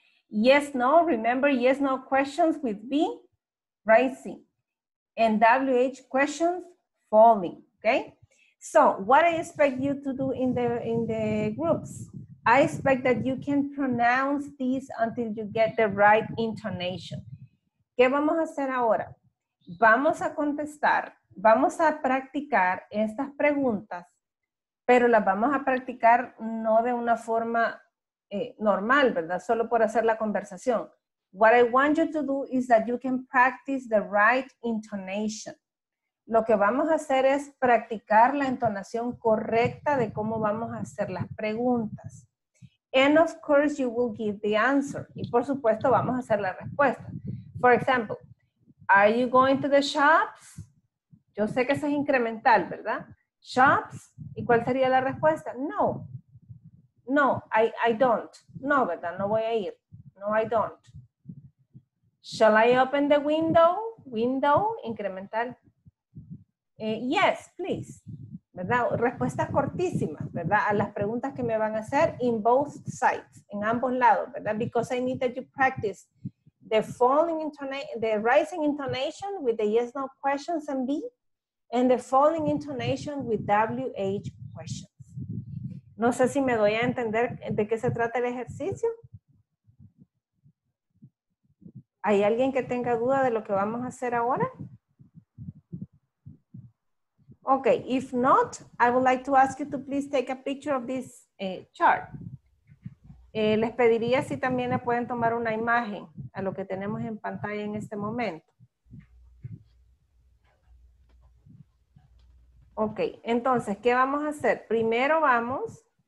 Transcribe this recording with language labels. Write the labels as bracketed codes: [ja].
[en] Yes, no, remember yes, no questions with B, rising. And WH questions, falling, okay? So what I expect you to do in the groups, I expect that you can pronounce these until you get the right intonation. [es] ¿Qué vamos a hacer ahora? Vamos a contestar, vamos a practicar estas preguntas, pero las vamos a practicar no de una forma normal, ¿verdad? Solo por hacer la conversación. [en] What I want you to do is that you can practice the right intonation. [es] Lo que vamos a hacer es practicar la entonación correcta de cómo vamos a hacer las preguntas. [en] And of course, you will give the answer. [es] Y por supuesto, vamos a hacer la respuesta. [en] For example, are you going to the shops? [es] Yo sé que eso es incremental, ¿verdad? Shops. ¿Y cuál sería la respuesta? No. [en] No, I don't. No, ¿verdad? [es] No voy a ir. [en] No, I don't. Shall I open the window? Window, incremental. Yes, please. ¿Verdad? [es] Respuestas cortísimas, ¿verdad? A las preguntas que me van a hacer [en] in both sides, [es] en ambos lados, ¿verdad? [en] Because I need that you practice the falling intonation, the rising intonation with the yes, no questions and B, and the falling intonation with WH questions. [es] No sé si me doy a entender de qué se trata el ejercicio. ¿Hay alguien que tenga duda de lo que vamos a hacer ahora? [en] Okay, if not, I would like to ask you to please take a picture of this chart. [es] Les pediría si también le pueden tomar una imagen a lo que tenemos en pantalla en este momento. Okay, entonces, ¿qué vamos a hacer? Primero vamos